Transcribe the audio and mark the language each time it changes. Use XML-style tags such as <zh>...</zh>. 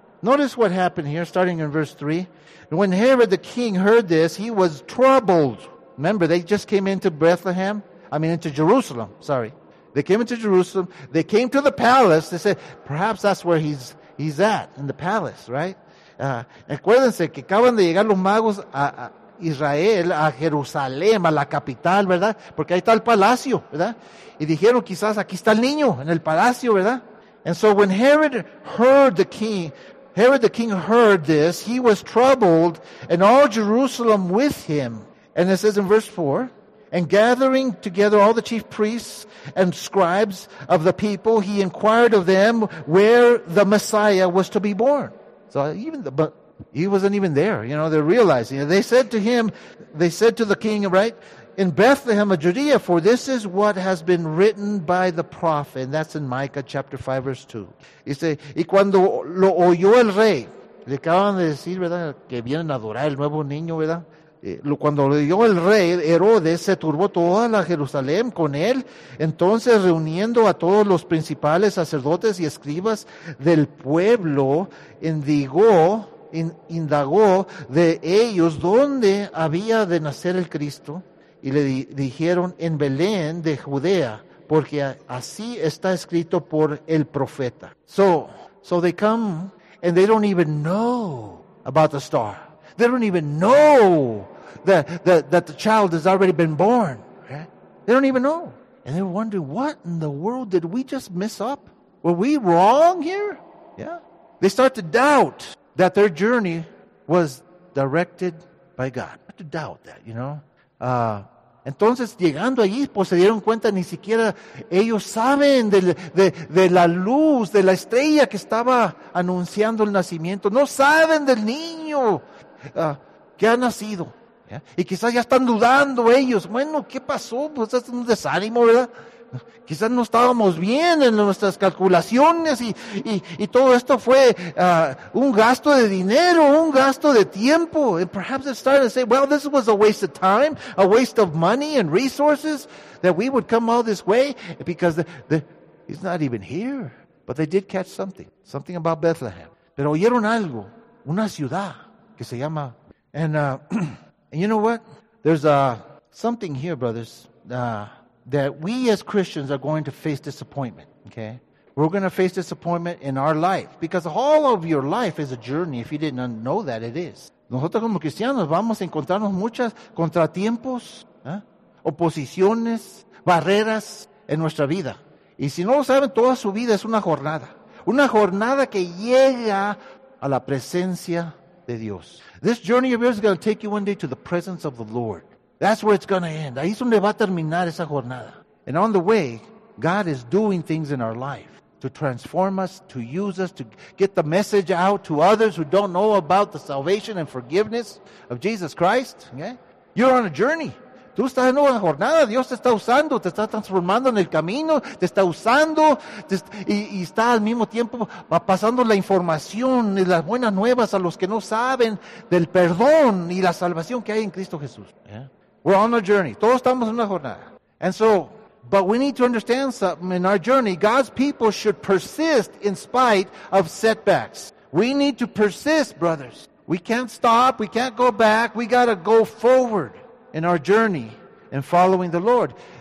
<en>Notice what happened here, starting in verse 3. When Herod the king heard this, he was troubled. Remember, they just came into Jerusalem. Sorry. They came into Jerusalem. They came to the palace. They said, perhaps that's where he's at, in the palace, right?</en> <es>Acuérdense que acaban de llegar los magos a Israel, a Jerusalén, a la capital, ¿verdad? Porque ahí está el palacio, ¿verdad? Y dijeron, quizás aquí está el niño, en el palacio, ¿verdad?</es> <en>And so when Herod the king heard this, he was troubled, and all Jerusalem with him. And it says in verse 4, and gathering together all the chief priests and scribes of the people, he inquired of them where the Messiah was to be born. So even the, but he wasn't even there. You know, they're realizing. They said to him, they said to the king, right, in Bethlehem of Judea, for this is what has been written by the prophet. And that's in Micah chapter 5, verse 2. He said,</en> <es>y cuando lo oyó el rey, le acaban de decir, ¿verdad?, que vienen a adorar el nuevo niño, ¿verdad? Cuando lo oyó el rey Herodes, se turbó toda la Jerusalén con él. Entonces, reuniendo a todos los principales sacerdotes y escribas del pueblo, indagó de ellos dónde había de nacer el Cristo. Y le dijeron, en Belén de Judea, porque así está escrito por el profeta.</es> <en>So they come and they don't even know about the star. They don't even know that the child has already been born. Okay? They don't even know. And they're wondering, what in the world did we just miss up? Were we wrong here? Yeah. They start to doubt that their journey was directed by God. Not to doubt that, you know.</en> <es>Entonces, llegando allí, pues se dieron cuenta, ni siquiera ellos saben de la luz, de la estrella que estaba anunciando el nacimiento. No saben del niño que ha nacido. ¿Ya? Y quizás ya están dudando ellos. Bueno, ¿qué pasó? Pues es un desánimo, ¿verdad? Quizás no estábamos bien en nuestras calculaciones y todo esto fue un gasto de dinero, un gasto de tiempo.</es> <en>And perhaps they're starting to say, well, this was a waste of time, a waste of money and resources that we would come all this way because he's not even here. But they did catch something about Bethlehem.</en> <es>Pero oyeron algo, una ciudad que se llama...</es> <en>And you know what? There's something here, brothers, that we as Christians are going to face disappointment, okay? We're going to face disappointment in our life because all of your life is a journey. If you didn't know that, it is.</en> <es>Nosotros como cristianos vamos a encontrarnos muchas contratiempos, oposiciones, barreras en nuestra vida. Y si no lo saben, toda su vida es una jornada. Una jornada que llega a la presencia de Dios.</es> <en>This journey of yours is going to take you one day to the presence of the Lord. That's where it's going to end.</en> <es>Ahí es donde va a terminar esa jornada.</es> <en>And on the way, God is doing things in our life to transform us, to use us, to get the message out to others who don't know about the salvation and forgiveness of Jesus Christ. Okay? You're on a journey.</en> <es>Tú estás en una jornada. Dios te está usando. Te está transformando en el camino. Te está usando. Y está al mismo tiempo pasando la información y las buenas nuevas a los que no saben del perdón y la salvación que hay en Cristo Jesús.</es> <en>Yeah. We're on a journey.</en> <es>Todos estamos en una jornada.</es> <en>And so, but we need to understand something. In our journey, God's people should persist in spite of setbacks. We need to persist, brothers. We can't stop. We can't go back. We got to go forward in our journey and following the Lord.</en>